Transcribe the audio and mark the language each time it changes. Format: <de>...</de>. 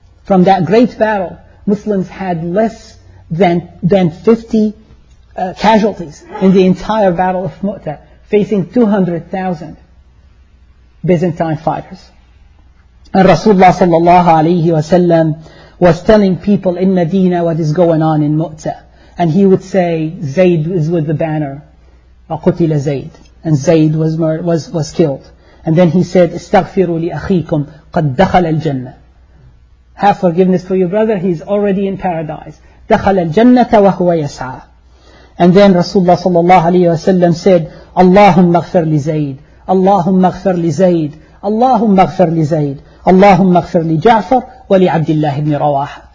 <en>From that great battle, Muslims had less than 50 casualties in the entire battle of Mu'ta, facing 200,000 Byzantine fighters. And Rasulullah sallallahu alayhi wa sallam was telling people in Medina what is going on in Mu'ta. and he would say, Zayd is with the banner.</en> <ar>وَقُتِلَ زَيْد.</ar> <en>And Zayd was killed. And then he said,</en> <ar>استغفروا لأخيكم قد دخل الجنة.</ar> <en>Have forgiveness for your brother, he's already in paradise.</en> <ar>دخل الجنة وهو يسعى.</ar> <en>And then Rasulullah sallallahu alayhi wa sallam said,</en> <ar>اللَّهُمَّ اغْفِرْ لِزَيْد. اللَّهُمَّ اغْفِرْ لِزَيْد. اللَّهُمَّ اغْفِرْ لِزَيْد. اللَّهُمَّ اغْفِرْ لِجَعْفَرْ وَلِعَبْدِ اللَّهِ بْنِ رَوَاحَ.</ar>